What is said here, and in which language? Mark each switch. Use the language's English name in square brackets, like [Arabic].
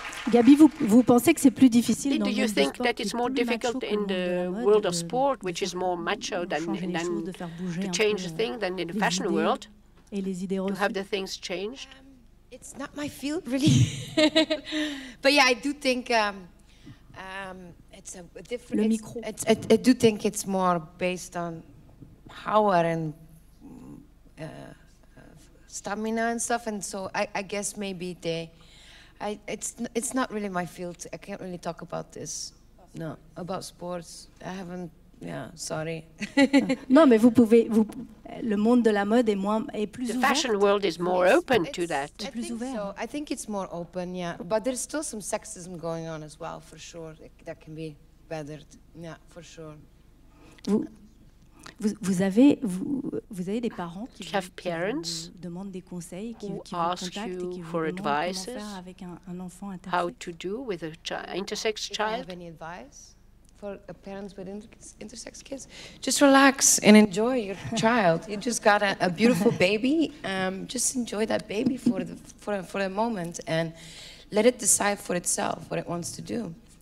[French] Gaby, vous pensez que c'est plus difficile dans le monde du sport, [English] that it's more difficult in the world of sport, which is more macho than to change the thing than in the fashion world, [French] et les idées reçues. [English] To have the things changed? It's not my field, really. But yeah, I do think it's a different. [French] Le micro. [English] I do think it's more based on power and stamina and stuff, and so I guess maybe they. It's not really my field. I can't really talk about this. No, about sports. I haven't. Yeah, sorry. [French] Non, mais vous pouvez. Vous, le monde de la mode est moins est plus ouvert. [English] The fashion world is more open to that. [French] C'est plus ouvert. [English] So. I think it's more open. Yeah, but there's still some sexism going on as well, for sure. That can be bettered. Yeah, for sure. [French] Vous avez des parents qui vous demandent des conseils, qui vous contactent et qui vous demandent comment faire avec un enfant intersex. [English] How to do with an intersex child? Do you have any advice for parents with intersex kids? Just relax and enjoy your child. You just got a beautiful baby. Just enjoy that baby for a moment and let it decide for itself what it wants to do.